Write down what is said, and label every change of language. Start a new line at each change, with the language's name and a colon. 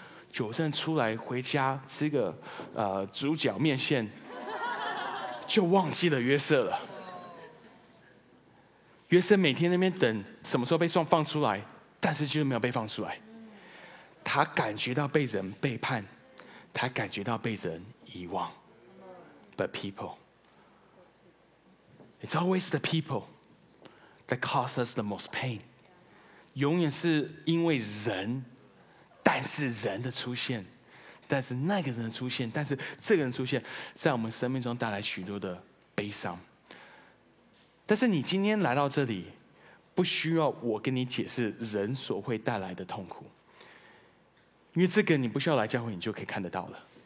Chinese: 酒神出来回家吃个猪脚面线就忘记了约瑟了。约瑟每天那边等什么时候被放出来，他但是就是没有被放出来。他感觉到被人背叛，他感觉到被人遗忘。
English: But people, it's always the people that cause us the most pain.
Chinese: 永远是因为人，但是人的出现，但是那个人的出现，但是这个人出现，在我们生命中带来许多的悲伤。但是你今天来到这里，不需要我跟你解释人所会带来的痛苦，因为这个你不需要来教会，你就可以看得到了。